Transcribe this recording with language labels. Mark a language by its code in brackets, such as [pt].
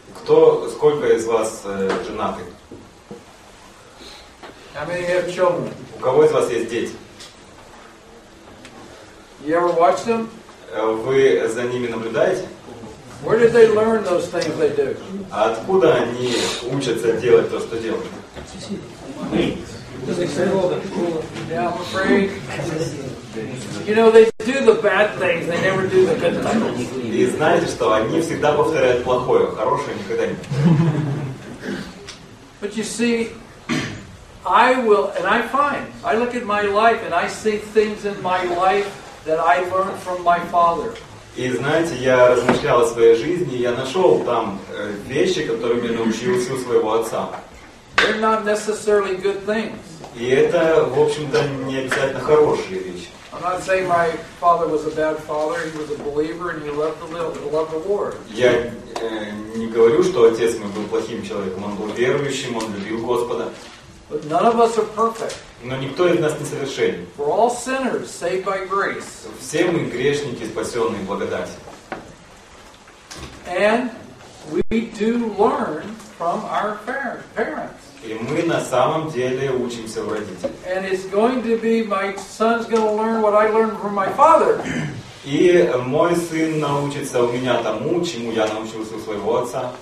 [ru] Кто, сколько из вас женаты? [en] How many have children? [ru] У кого из вас есть дети? [en] You ever watch them? [ru] Вы за ними наблюдаете? [en] Where did they learn those things they do? [ru] Откуда они учатся делать то, что делают? [en] Yeah, I'm afraid. You know, they do the bad things, they never do the good things. [ru] И знаете что, они всегда повторяют плохое, хорошее никогда не. [en] But you see, I will, and I find, I look at my life and I see things in my life that I learned from my father. [ru] И знаете, я размышлял о своей жизни, и я нашел там вещи, которыми я научился у своего отца. [en] They're not necessarily good things. [ru] И это, в общем-то, не обязательно хорошие вещи. [en] I'm not saying my father was a bad father. He was a believer, and he loved the Lord. [ru] Я не говорю, что отец мой был плохим человеком. Он был верующим, он любил Господа. [en] But none of us are perfect. [ru] Но никто из нас не совершенен. [en] We're all sinners, saved by grace. [ru] Все мы грешники, спасенные благодатью. [en] And we do learn from our parents. [ru] И мы на самом деле учимся у родителей. [en] And it's going to be my son's going to learn what I learned from my father. [ru] И мой сын научится у меня тому, чему я научился у своего отца.